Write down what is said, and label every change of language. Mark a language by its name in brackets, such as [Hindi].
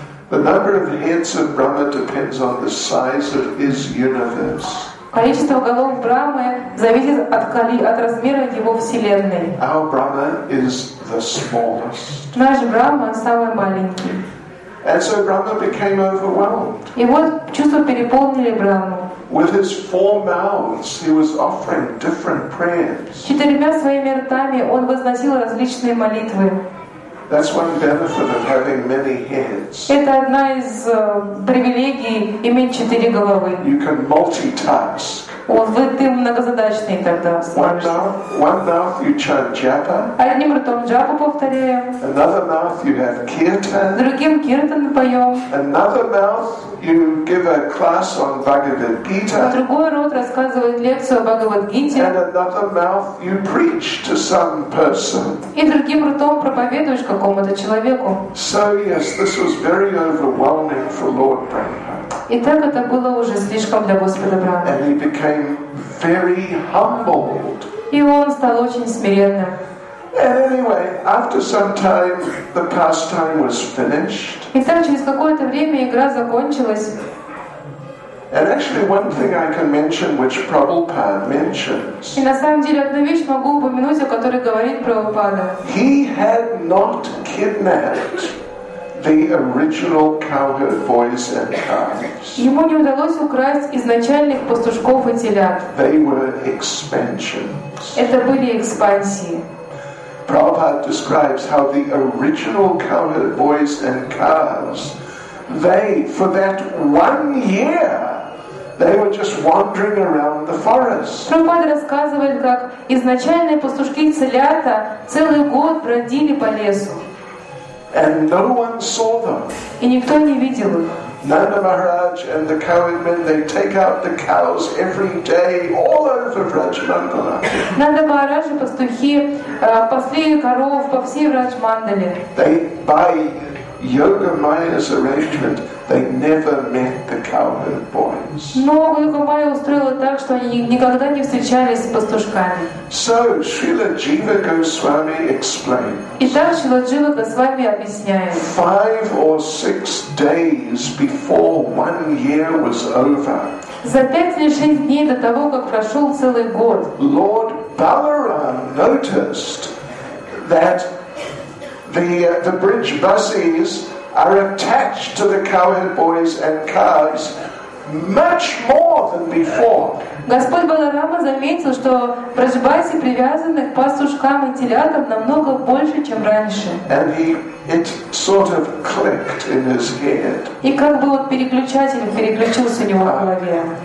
[English] The number of heads of Brahma depends on the size of his universe. [Russian] Количество голов Брахмы зависит от размера его вселенной. [English] Our Brahma is the smallest. [Russian] Наш Брахма самый маленький. [English] And so Brahma became overwhelmed. [Russian] И вот чувства переполнили Брахму. [English] With his four mouths, he was offering different prayers. [Russian] Четырьмя своими ртами он возносил различные молитвы. [English] That's one benefit of having many heads. [Russian] Это одна из привилегий иметь четыре головы. [English] You can multitask. [Russian] Ты многозадачный тогда. [English] One mouth you chant japa. [Russian] Одним ртом джапу повторяем. [English] Another mouth you have kirtan. [Russian] Другим киртан поем. [English] Another mouth you give a class on Bhagavad Gita. [Russian] Другой рот рассказывает лекцию о Бхагавад Гите. [English] And another mouth you preach to some person. [Russian] И другим ртом проповедуешь какому-то человеку. [English] So yes, this was very overwhelming for Lord Brahma. [Russian] И так это было уже слишком для Господа Брахмы. [English] And he became very humbled. [Russian] И он стал очень смиренным. [English] And anyway, after some time, the pastime was finished. [Russian] И так через какое-то время игра закончилась. [English] And actually, one thing I can mention, which Prabhupada mentions. [Russian] И на самом деле одна вещь могу упомянуть, о которой говорит Прабхупада. [English] He had not kidnapped the original cowherd boys and calves. [Russian] Ему не удалось украсть изначальных пастушков и телят. [English] They were expansions. [Russian] Это были экспансии. [English] Prabhupada describes how the original cowherd boys and calves, they for that one year. They were just wandering around the forest. [Russian] Прабхупада рассказывает, как изначальные пастушки телята целый год бродили по лесу. [English] And no one saw them. [Russian] И никто не видел их. [English] Nanda Maharaj and the cowherd men, they take out the cows every day all over Rajmandala. [Russian] Nanda Maharaj и пастухи пасли коров по всей Раджмандале. [English] They by Yoga Maya's arrangement, they never met the cowherd boys. [Russian] Но Йога Майя устроила так, что они никогда не встречались с пастушками. [English] So Srila Jiva Goswami explains. [Russian] Итак, Шрила Джива Госвами объясняет. [English] 5 or 6 days before 1 year was over. [Russian] За 5 или 6 дней до того, как прошел целый год. [English] Lord Balaram noticed that the bridge buses are attached to the cowherd boys and calves much more than before. [Russian] Господь Баларама заметил, что бриджбасы привязаны к пастушкам и телятам намного больше, чем раньше. [English] And it sort of clicked in his head. [Russian] И как бы вот переключатель переключился у него в голове.